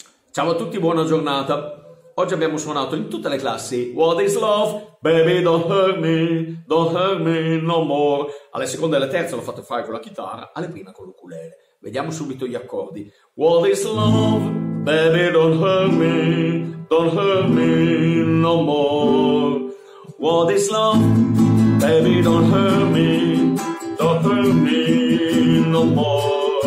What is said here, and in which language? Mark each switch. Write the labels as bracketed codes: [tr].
[it] Ciao a tutti, buona giornata. Oggi abbiamo suonato in tutte le classi [en] What is love? Baby, don't hurt me no more. [it] Alle seconde e alle terze l'ho fatto fare con la chitarra, alle prime con l'ukulele. Vediamo subito gli accordi. [en] What is love? Baby, don't hurt me no more. What is love? Baby, don't hurt me no more.